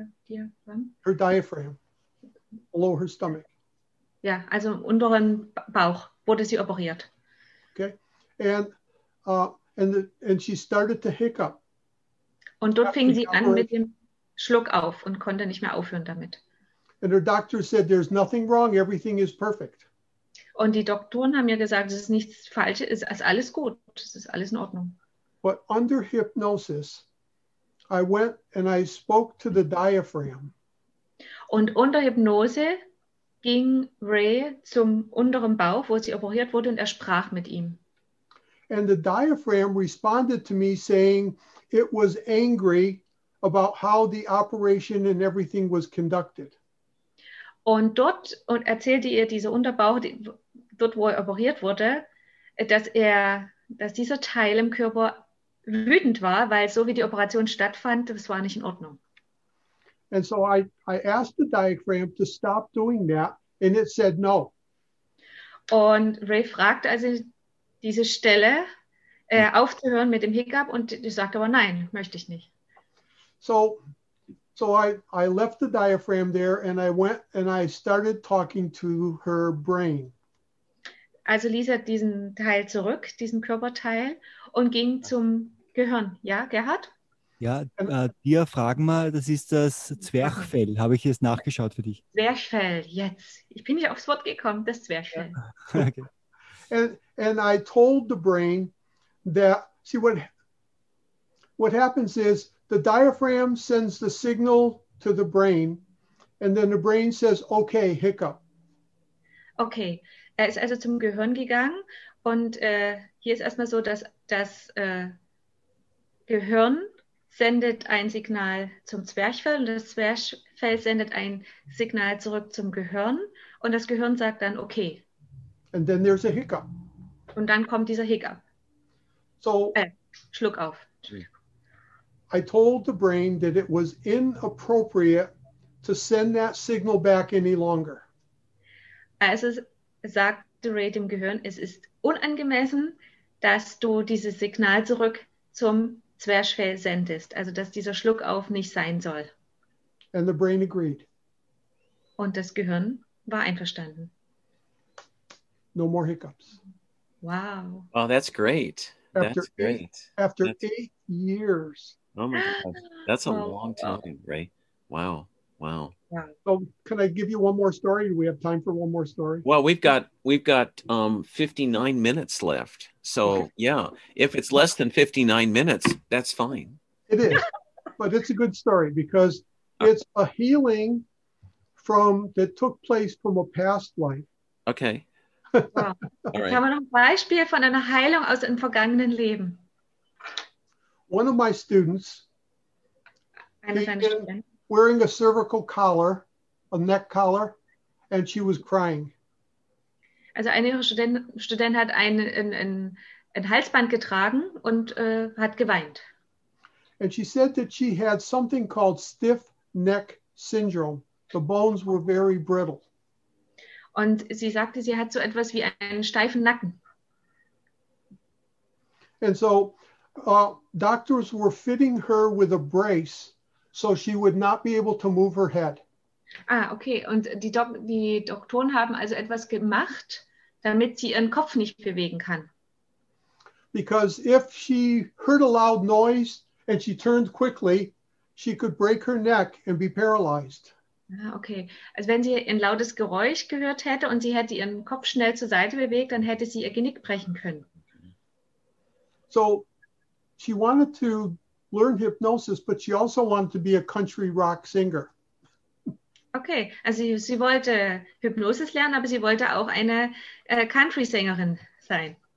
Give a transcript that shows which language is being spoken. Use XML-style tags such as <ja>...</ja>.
<en>Diaphragm? Her diaphragm, below her stomach.</en> <de>Ja, also im unteren Bauch wurde sie operiert.</de> <en>Okay, and she started to hiccup.</en> <de>Und dort fing sie an mit dem Schluck auf und konnte nicht mehr aufhören damit.</de> <en>And her doctor said, there's nothing wrong, everything is perfect.</en> <de>Und die Doktoren haben ihr gesagt, es ist nichts Falsches, es ist alles gut, es ist alles in Ordnung.</de> <en>But under hypnosis, I went and I spoke to the diaphragm.</en> <de>Und unter Hypnose ging Ray zum unteren Bauch, wo sie operiert wurde, und er sprach mit ihm.</de> <en>And the diaphragm responded to me saying, it was angry about how the operation and everything was conducted.</en> <de>Und dort und erzählte ihr dieser Unterbauch, dort wo er operiert wurde, dass dieser Teil im Körper wütend war, weil so wie die Operation stattfand, das war nicht in Ordnung.</de> <en>And so I asked the diaphragm to stop doing that and it said no.</en> <de>Und Ray fragte also diese Stelle aufzuhören mit dem Hiccup und ich sagte aber nein, möchte ich nicht.</de> <en>So I left the diaphragm there and I went and I started talking to her brain.</en> <de>Also ließ er diesen Teil zurück, diesen Körperteil, und ging zum Gehirn. Ja, Gerhard? Ja, dir fragen mal, das ist das Zwerchfell. Habe ich jetzt nachgeschaut für dich? Zwerchfell, jetzt. Ich bin nicht aufs Wort gekommen, das Zwerchfell. Ja.</de> <en>Okay. And I told the brain, that, see, what happens is the diaphragm sends the signal to the brain and then the brain says, okay, hiccup.</en> <de>Okay, er ist also zum Gehirn gegangen und hier ist erstmal so, dass das Gehirn sendet ein Signal zum Zwerchfell und das Zwerchfell sendet ein Signal zurück zum Gehirn und das Gehirn sagt dann, okay.</de> <en>And then there's a hiccup.</en> <de>Und dann kommt dieser Hiccup.</de> <en>So,</en> <de>Schluck auf.</de> <en>I told the brain that it was inappropriate to send that signal back any longer.</en> <de>Also sagte Ray dem Gehirn, es ist unangemessen, dass du dieses Signal zurück zum Zwerchfell sendest, also dass dieser Schluck auf nicht sein soll.</de> <en>And the brain agreed.</en> <de>Und das Gehirn war einverstanden.</de> <en>No more hiccups. Wow. Oh, that's great. After 8 years. Oh my God. That's a long time, right? Wow. So can I give you one more story? Do we have time for one more story? Well, we've got 59 minutes left. So yeah. If it's less than 59 minutes, that's fine. It is. But it's a good story because it's a healing that took place from a past life. Okay. Wow.</en> <de>Jetzt haben wir noch ein Beispiel von einer Heilung aus einem vergangenen Leben.</de> <en>One of my students, wearing a cervical collar, a neck collar, and she was crying.</en> <de>Also eine ihrer Studenten hat ein Halsband getragen und hat geweint.</de> <en>And she said that she had something called stiff neck syndrome. The bones were very brittle.</en> <de>Und sie sagte, sie hat so etwas wie einen steifen Nacken.</de> <en>And so doctors were fitting her with a brace so she would not be able to move her head. Ah, okay.</en> <de>Und die Doktoren haben also etwas gemacht, damit sie ihren Kopf nicht bewegen kann.</de> <en>Because if she heard a loud noise and she turned quickly, she could break her neck and be paralyzed. Ah, okay.</en> <de>Also wenn sie ein lautes Geräusch gehört hätte und sie hätte ihren Kopf schnell zur Seite bewegt, dann hätte sie ihr Genick brechen können.</de> <en>So she wanted to learn hypnosis, but she also wanted to be a country rock singer.</en> <de>Okay, also sie wollte Hypnosis lernen, aber sie wollte auch eine Country-Sängerin sein.</de>